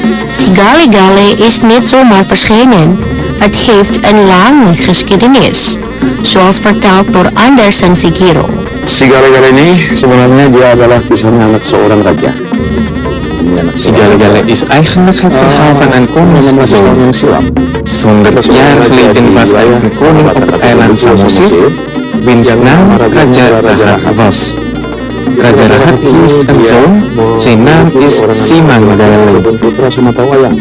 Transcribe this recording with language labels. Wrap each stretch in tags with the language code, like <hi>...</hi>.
<nl>Sigalegale is niet zomaar verschenen. Het heeft een lange geschiedenis, zoals verteld door Andersen Sigiro.</nl> <id>Sigalegale ini sebenarnya dia adalah kisahnya anak seorang raja.</id> <nl>Sigalegale is eigenlijk het verhaal van een koning en zijn zoon. Zonder jaar geleden was hij een koning op het eiland Samosir, wiens naam Raja Rahat was. Raja Rahat heeft een zoon, zijn naam is Simangale.</nl>